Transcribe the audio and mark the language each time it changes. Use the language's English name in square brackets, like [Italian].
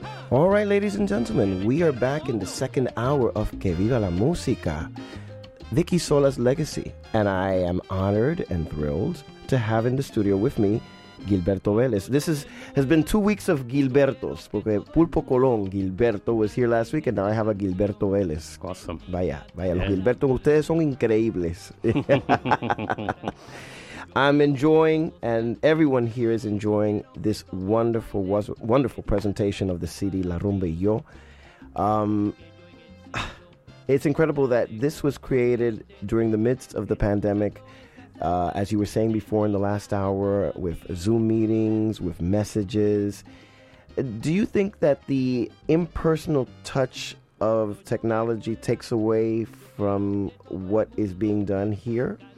[English] right, ladies and gentlemen, we are back in the second hour of Que Viva La Música, Vicky Sola's Legacy, and I am honored and thrilled to have in the studio with me Gilberto Velez. This has been 2 weeks of Gilbertos, porque Pulpo Colón, Gilberto, was here last week, and now I have a Gilberto Velez. Awesome. [Spanish] Vaya, vaya, yeah. Los Gilbertos, ustedes son increíbles. [English] I'm enjoying, and everyone here is enjoying, this wonderful, wonderful presentation of the CD, La Rumba y Yo. It's incredible that this was created during the midst of the pandemic. As you were saying before in the last hour, with Zoom meetings, with messages, do you think that the impersonal touch of technology takes away from what is being done here?